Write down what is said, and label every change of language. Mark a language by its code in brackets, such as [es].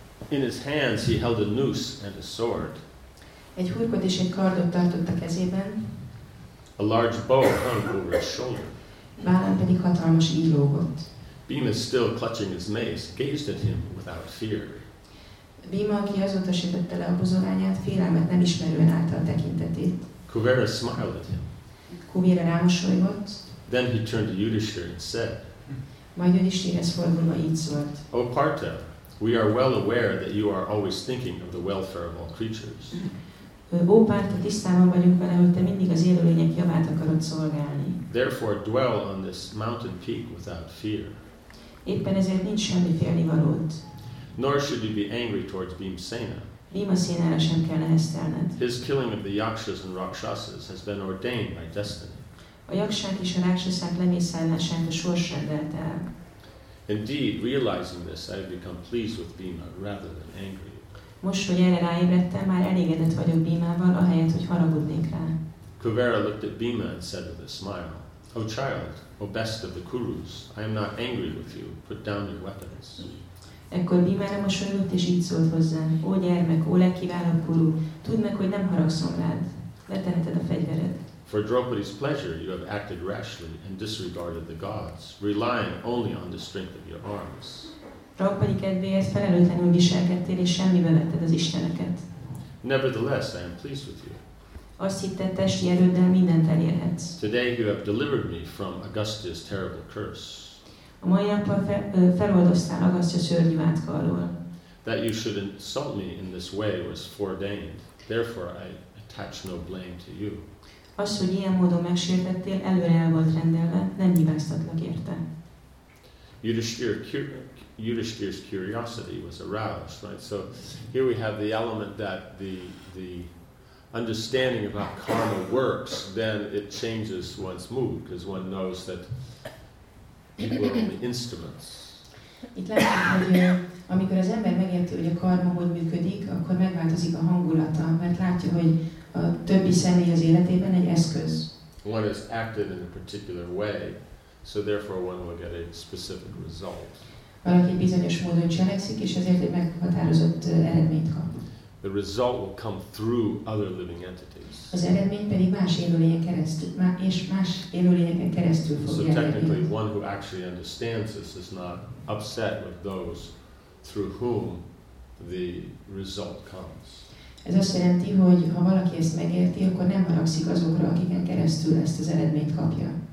[en] In his hands he held a noose and a sword. [hu] Egy hurkot és egy kardot tartott a kezében. [en] A large bow hung over his shoulder. [hu] Vállán pedig hatalmas íj lógott. [en] Bhima, still clutching his mace, gazed at him without fear. [hu] Bhima, aki azóta se tette le a buzogányát, félelmet nem ismerően állta a tekintetét. [en] Kuvera smiled at him. [hu] Kuvera rámosolygott. [en] Then he turned to Yudhishthira and said, [hu] majd Yudhishthirahez fordulva így szólt. [en] O Partha, we are well aware that you are always thinking of the welfare of all creatures. [hu] O Partha, tisztában vagyunk vele, hogy te mindig az élőlények javát akarod szolgálni. [en] Therefore dwell on this mountain peak without fear. [hu] Éppen ezért nincs semmi félnivalód. [en] Nor should you be angry towards Bhimsena. [hu] Bhimsenára sem kell neheztelned. [en] His killing of the yakshas and rakshasas has been ordained by destiny. [hu] A jakság és a rákszaszák lemészállását a sors rendelt el. [en] Indeed, realizing this, I have become pleased with Bhima rather than angry. [hu] Most, hogy erre ráébredtem, már elégedett vagyok Bhimával, ahelyett, hogy haragudnék rá. [en] Kuvera looked at Bhima and said with a smile, O child, O best of the Kurus, I am not angry with you. Put down your weapons. [hu] Ekkor Bhimára mosolyogott és így szólt hozzá, O gyermek, O legkiválóbb Kuru, tudd meg, hogy nem haragszom rád. Leteheted a fegyvered. [en] For Draupadi's pleasure, you have acted rashly and disregarded the gods, relying only on the strength of your arms. [hu] Draupadi kedvéért felelőtlenül viselkedtél, és semmibe vetted az isteneket. [en] Nevertheless, I am pleased with you. [hu] Azt hitted, testi erőddel mindent elérhetsz. [en] Today you have delivered me from Agastya's terrible curse. [hu] A mai napon feloldoztál Agastya szörnyű átka alól. [en] That you should insult me in this way was foreordained. Therefore, I attach no blame to you. [hu] Az, hogy ilyen módon megsértettél, előre el volt rendelve, nem hibáztatlak érte. [en] Yudhishthira's curiosity was aroused, right? So here we have the element that the understanding of how karma works, then it changes one's mood, because one knows that people are only instruments. [hu] Itt látjuk, hogy amikor az ember megérti, hogy a karma hogy működik, akkor megváltozik a hangulata, mert látja, hogy a többi személy az életében egy eszköz. [en] One is acted in a particular way, so therefore one will get a specific result. [hu] Valaki bizonyos módon cselekszik, és ezért egy meghatározott eredményt kap. [en] The result will come through other living entities. [hu] Az eredmény pedig más élőlények keresztül, és más élőlényeken keresztül fog jelenni. [en] So technically, one who actually understands this is not upset with those through whom the result comes. [hu] Ez azt jelenti, hogy ha valaki ezt megérti, akkor nem haragszik azokra, akiken keresztül ezt az eredményt kapja.